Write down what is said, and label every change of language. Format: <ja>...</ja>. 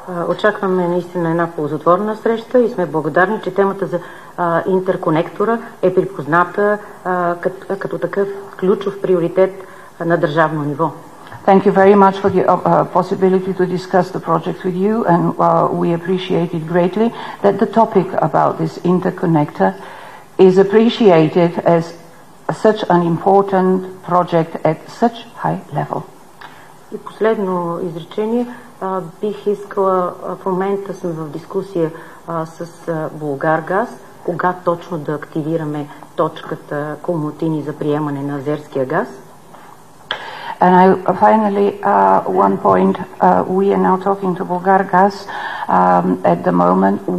<bg>Очакваме наистина една ползотворна среща и сме благодарни, че темата за интерконектора е припозната като такъв ключов приоритет на държавно ниво.</bg> <en>Thank you very much for the possibility to discuss the project with you, and we appreciate it greatly that the topic about this interconnector is appreciated as such an important project at such high level.</en> <bg>И последно изречение. Бих искала, в момента сме в дискусия с Булгаргаз, кога точно да активираме точката Комотини за приемане на азерския газ.</bg> <en>And I finally one point we are now talking to Bulgargaz at the moment.</en>